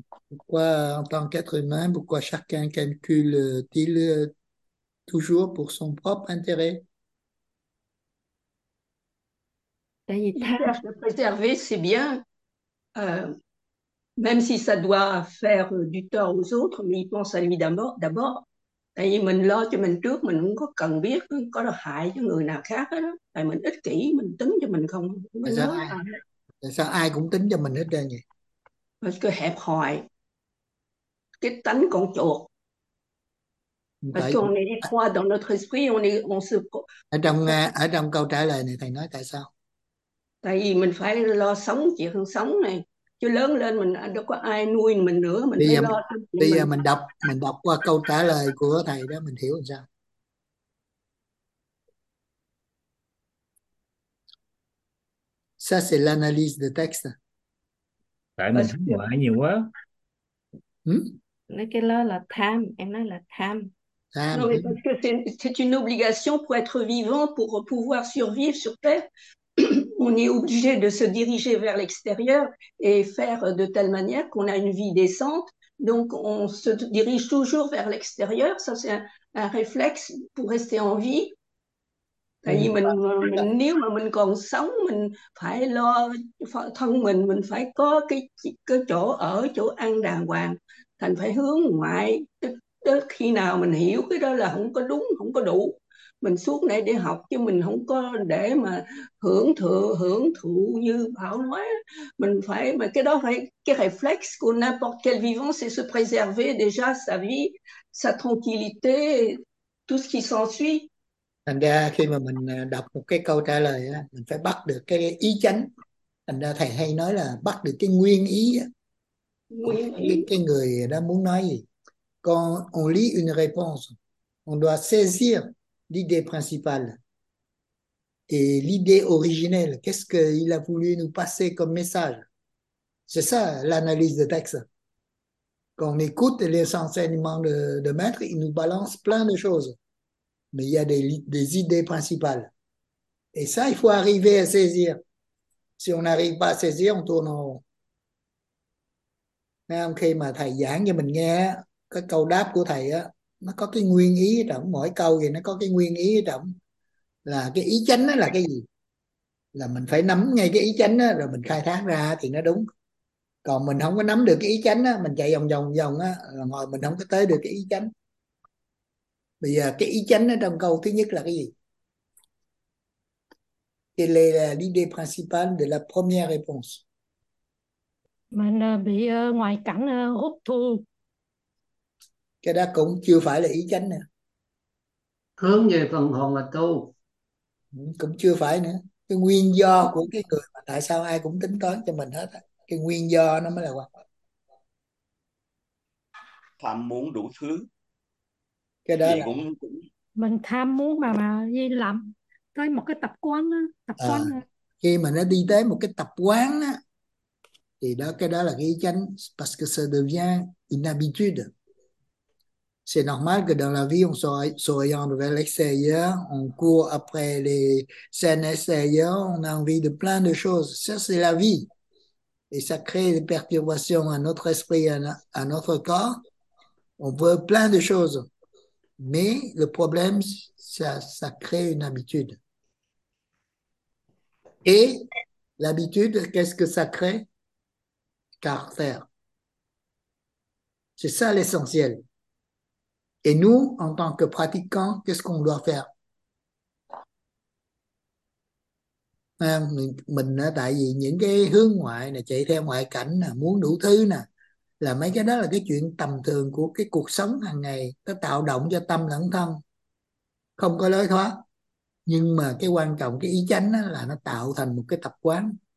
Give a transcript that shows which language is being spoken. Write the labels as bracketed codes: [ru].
[fr] Pourquoi en tant qu'être humain, pourquoi chacun calcule-t-il toujours pour son propre intérêt? [vi] Tại vì [fr] Il cherche à préserver, c'est bien, même si ça doit faire du tort aux autres, mais il pense à lui d'abord. [vi] D'abord, tại vì mình lo cho mình trước, mình không có cần biết có là hại cho người nào khác hết đó. Tại mình ích kỷ, mình tính cho mình không, mới nói là tại sao ai cũng tính cho mình hết trơn vậy? mình cứ hẹp hòi, cái tánh con chuột. [fr] Parce qu'on est étroit dans notre esprit, [vi] Ở trong câu trả lời này thầy nói tại sao? tại vì mình phải lo sống chuyện sống này, chứ lớn lên mình đâu có ai nuôi mình nữa, mình Bây phải giờ lo cho bây mình. giờ mình đọc qua câu trả lời của thầy đó, mình hiểu làm sao? [fr] Ça, c'est l'analyse de texte. [vi] Tại mình hướng ngoại nhiều quá. Nói cái đó là tham, em nói là tham. Tham, [fr] Non, mais parce que c'est une obligation pour être vivant, pour pouvoir survivre sur Terre. On est obligé de se diriger vers l'extérieur et faire de telle manière qu'on a une vie décente. Donc, on se dirige toujours vers l'extérieur. Ça, c'est un réflexe pour rester en vie. [vi] nhưng mà Tại vì nếu mà mình còn sống, mình phải lo thân mình phải có cái chỗ ở, chỗ ăn đàng hoàng. Thành phải hướng ngoại. Tới khi nào mình hiểu cái đó là không có đúng, không có đủ. Mình suốt ngày để học chứ mình không có để mà hưởng thụ như Bảo nói. Mình phải, mà cái đó phải, cái reflex của [fr] n'importe quel vivant, c'est se préserver déjà sa vie, sa tranquillité, tout ce qui s'ensuit. [vi] thành ra khi mà mình đọc một cái câu trả lời á, mình phải bắt được cái ý chánh. Thành ra thầy hay nói là bắt được cái nguyên ý á, của Nguyên ý. cái người đó muốn nói gì. [fr] Quand on lit une réponse, on doit saisir l'idée principale et l'idée originelle. Qu'est-ce qu'il a voulu nous passer comme message? C'est ça l'analyse de texte. Quand on écoute les enseignements de maître, il nous balance plein de choses. Mais il y a des idées principales. Et ça, il faut arriver à saisir. Si on n'arrive pas à saisir, on tourne en rond. [vi] Mais ông khi mà thầy giảng cho mình nghe cái câu đáp của thầy á, nó có cái nguyên ý trọng, mỗi câu thì nó có cái nguyên ý trọng, là cái ý chánh đó là cái gì, là mình phải nắm ngay cái ý chánh đó, rồi mình khai thác ra thì nó đúng. Còn mình không có nắm được cái ý chánh đó, mình chạy vòng vòng vòng á, là ngồi mình không có tới được cái ý chánh. Bây giờ cái ý chánh ở trong câu thứ nhất là cái gì? [fr] Quelle est l'idée principale de la première réponse? [vi] Mình bị ngoại cảnh hút thu. Cái đó cũng chưa phải là ý chánh Hướng về phần hồn là tu. nè. Cũng chưa phải nữa. Cái nguyên do của cái người mà tại sao ai cũng tính toán cho mình hết á, cái nguyên do nó mới là quan trọng. Tham muốn đủ thứ Cái đó gì là cũng cũng mình tham muốn mà đi làm tới một cái tập quán khi mà nó đi tới một cái tập quán á, thì đó cái đó là cái ý chánh, [fr] parce que ça devient une habitude. C'est normal que dans la vie, on s'oriente vers l'extérieur, on court après les scènes extérieures, on a envie de plein de choses. Ça, c'est la vie. Et ça crée des perturbations à notre esprit, à notre corps. On veut plein de choses. Mais le problème, ça crée une habitude. Et l'habitude, qu'est-ce que ça crée? Caractère. C'est ça l'essentiel. Et nous, en tant que pratiquants, qu'est-ce qu'on doit faire? [vi] Mình tại vì những cái hướng ngoại nè, chạy theo ngoại cảnh nè, muốn đủ thứ nè, là mấy cái đó là cái chuyện tầm thường của cái cuộc sống hàng ngày, nó tạo động cho tâm lẫn thân, không có lối thoát. Nhưng mà cái quan trọng, cái ý chánh đó là nó tạo thành một cái tập quán.